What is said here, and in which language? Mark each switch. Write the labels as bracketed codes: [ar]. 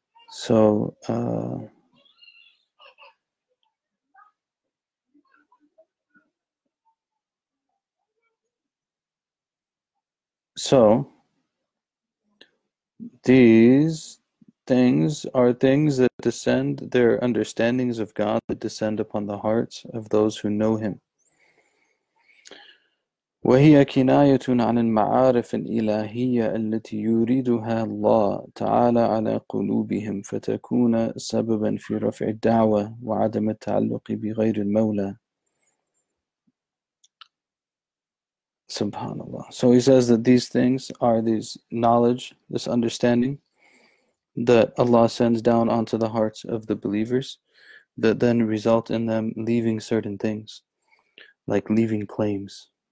[en] So, so these things are things that descend, their understandings of God that descend upon the hearts of those who know Him. [ar] وهي كناية عن المعارف الإلهية التي يريدها الله تعالى على قلوبهم فتكون سببا في رفع الدعوة وعدم التعلق بغير المولى. Subhanallah. [en] So he says that these things are these knowledge, this understanding that Allah sends down onto the hearts of the believers that then result in them leaving certain things, like leaving claims.